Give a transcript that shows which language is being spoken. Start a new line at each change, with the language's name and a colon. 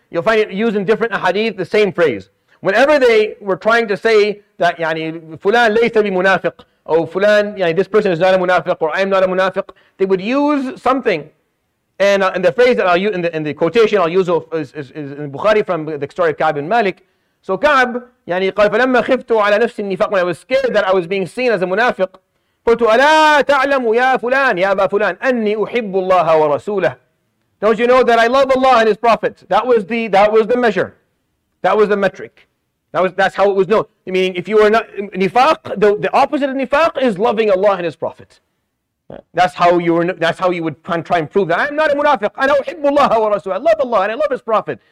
English: You'll find it used in different hadith, the same phrase. Whenever they were trying to say that, يعني, Fulan laysa bi munafiq, oh Fulan, يعني, this person is not a munafiq, or I am not a munafiq, they would use something. And the phrase that I'll use in the quotation I'll use of is in Bukhari from the story of Ka'b al-Malik. So Ka'b,
Arabic: يعني, قال فلما خفت على نفسي النفاق,
English: when I was scared that I was being seen as a munafiq,
Arabic: قلت ألا تعلم يا فلان يا أبا فلان أني أحب الله ورسوله.
English: Don't you know that I love Allah and His Prophet? That was the measure. That was the metric. That's how it was known. I mean, if you were not nifaq, the opposite of nifaq is loving Allah and His Prophet. That's how you would try and prove that I'm not a munafiq.
Arabic: أنا أحب الله ورسوله.
English: I love Allah and I love His Prophet.